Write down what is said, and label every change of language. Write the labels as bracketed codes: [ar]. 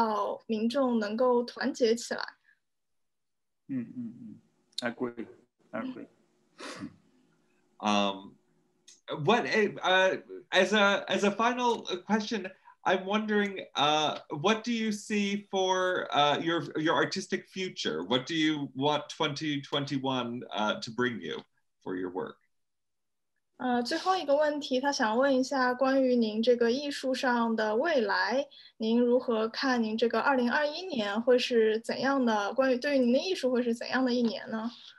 [zh] 因为他现在在那个南佛罗里达，然后这时候在大选的时候是一个比较摇摆的州，就是选民比较分裂，然后我们也看到了当时那个国会山的暴动，所以现在这个国家还是处于一个比较分裂的状态，然后他也比较期待以后看到民众能够团结起来。 [en] I agree. As a final question, I'm wondering, what do you see for your artistic future? What do you want 2021 to bring you for your work? [zh] 最后一个问题，他想问一下关于您这个艺术上的未来，您如何看您这个2021年会是怎样的？关于对于您的艺术会是怎样的一年呢？